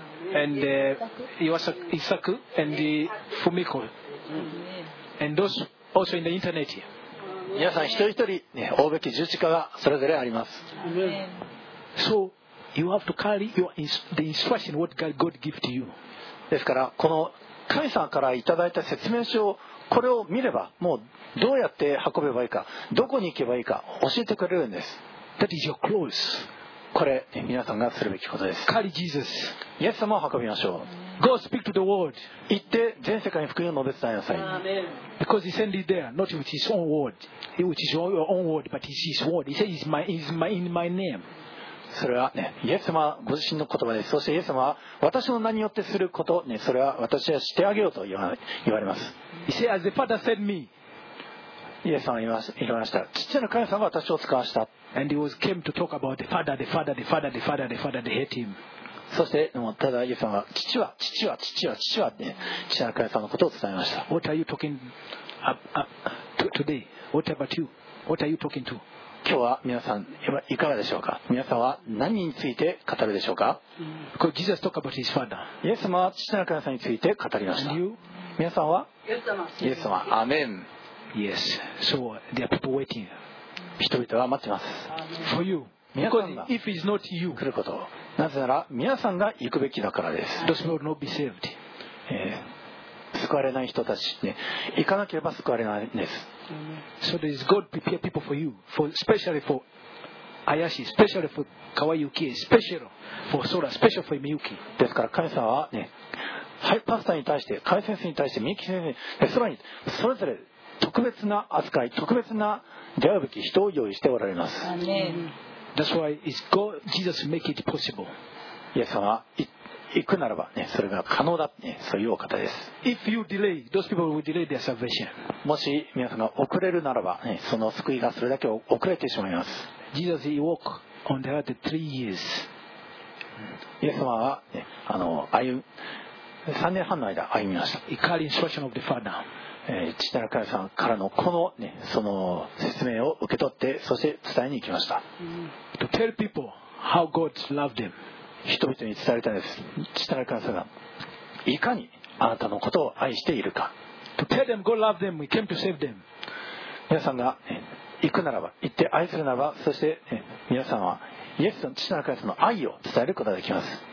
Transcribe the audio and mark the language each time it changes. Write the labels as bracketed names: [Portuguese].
[English] And Isaku and Fumiko, and those also in the internet. [Japanese] 皆さん一人一人ね、追うべき十字架がそれぞれあります。 [English] So you have to carry your the instruction what God gives to you. [Japanese] ですからこの神様からいただいた説明書をこれを見ればもうどうやって運べばいいかどこに行けばいいか教えてくれるんです。 [English] That is your clothes. [Japanese] これ皆さんがするべきことです。 [English] Carry Jesus. [Japanese] イエス様を運びましょう。 [English] Go speak to the world. [Japanese] 行って全世界に福音を述べ伝えなさい。 [English] Because he sent it there, not with his own word, which is your own word, but it's his word. He says, "It's my in my name." [Japanese] それは、ね、イエス様ご自身の言葉です。そしてイエス様は私の名によってすること、ね、それは私はしてあげようと言われます。 [English] He said, "As the Father sent me." [Japanese] イエス様は言いました。父の神様が私を使わした。 [English] And he was came to talk about the Father, the Father, the Father, the Father, the Father, they hate him. [Japanese] そしてもただイエス様は父は父は父は父はって父の神様のことを伝えました。 [English] What are you talking about today? What about you? What are you talking to? [Japanese] 今日は皆さんいかがでしょうか。皆さんは何について語るでしょうか。 [English] Because Jesus talked about his father. [Japanese] イエス様は父の神様について語りました。 [English] And you? [Japanese] 皆さんは？イエス様。イエス様。アメン。 [English] Yes. So there are people waiting. [Japanese] 人々は待ってます。 [English] For you. Because if it's not you, [Japanese] 来ること。なぜなら皆さんが行くべきだからです。 [English] Those will not be saved. [Japanese] 救われない人たち、ね、行かなければ救われないんです。 [English] So there is God prepare people for you, for especially for Ayashi, especially for Kawayuki, especially for Sora, special for Miyuki. [Japanese] ですから神様はね、ハイパスターに対して、カイ先生に対して、ミキ先生に、さらにそれぞれ特別な扱い、特別な出会うべき人を用意しておられます。 [English] That's why it's God, Jesus make it possible. [Japanese] イエス様は行くならば、ね、それが可能だ、ね、そういうお方です。 [English] If you delay, those people will delay their salvation. [Japanese] もし皆さんが遅れるならば、ね、その救いがそれだけ遅れてしまいます。 [English] Jesus, he walked on the earth 3 years. [Japanese] イエス様は、ね、あの3年半の間歩みました。 [English] He carried instruction of the Father. [Japanese] 父なる神様からのこの、ね、その説明を受け取ってそして伝えに行きました。 [English] To tell people how God loved them. [Japanese] 人々に伝えたんです。父なる神様がいかにあなたのことを愛しているか。 [English] To tell them God loved them, we came to save them. [Japanese] 皆さんが、ね、行くならば行って愛するならばそして、ね、皆さんはイエスの父なる神様の愛を伝えることができます。